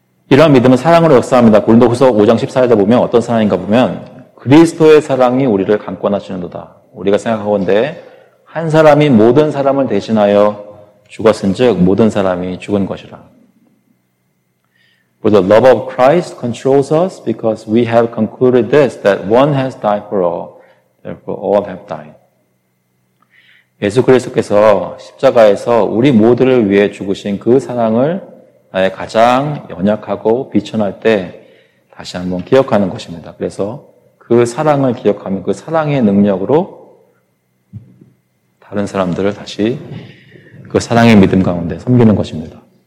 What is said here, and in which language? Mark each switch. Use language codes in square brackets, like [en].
[ko] 이러한 믿음은 사랑으로 역사합니다. 고린도후서 5장 14절에 보면 어떤 사랑인가 보면 그리스도의 사랑이 우리를 강권하시는도다. 우리가 생각하건대 한 사람이 모든 사람을 대신하여 죽었은 즉 모든 사람이 죽은 것이라. [en] For the love of Christ controls us because we have concluded this, that one has died for all, therefore all have died. [ko] 예수 그리스도께서 십자가에서 우리 모두를 위해 죽으신 그 사랑을 나의 가장 연약하고 비천할 때 다시 한번 기억하는 것입니다. 그래서 그 사랑을 기억하면 그 사랑의 능력으로 다른 사람들을 다시 그 사랑의 믿음 가운데 섬기는 것입니다.